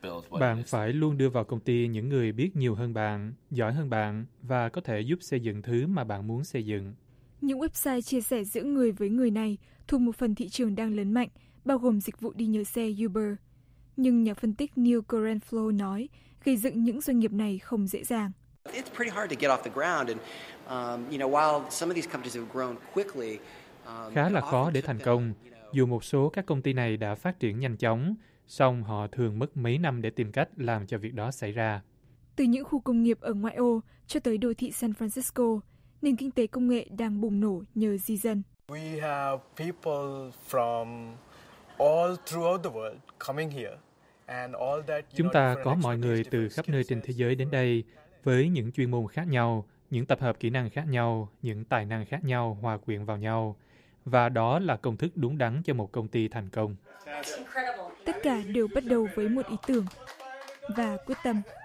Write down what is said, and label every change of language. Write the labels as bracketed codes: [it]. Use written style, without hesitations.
[vi] Bạn phải luôn đưa vào công ty những người biết nhiều hơn bạn, giỏi hơn bạn và có thể giúp xây dựng thứ mà bạn muốn xây dựng. Những website chia sẻ giữa người với người này thuộc một phần thị trường đang lớn mạnh bao gồm dịch vụ đi nhờ xe Uber. Nhưng nhà phân tích Neil Grenfell nói, gây dựng những doanh nghiệp này không dễ dàng. [en] It's pretty hard to get off the ground and you know, while some of these companies have grown quickly, [vi] khá là khó để thành công. Dù một số các công ty này đã phát triển nhanh chóng, song họ thường mất mấy năm để tìm cách làm cho việc đó xảy ra. Từ những khu công nghiệp ở ngoại ô cho tới đô thị San Francisco, nền kinh tế công nghệ đang bùng nổ nhờ di dân. [en] We have people from all throughout the world coming here. [vi] Chúng ta có mọi người từ khắp nơi trên thế giới đến đây với những chuyên môn khác nhau, những tập hợp kỹ năng khác nhau, những tài năng khác nhau hòa quyện vào nhau. Và đó là công thức đúng đắn cho một công ty thành công. Tất cả đều bắt đầu với một ý tưởng và quyết tâm.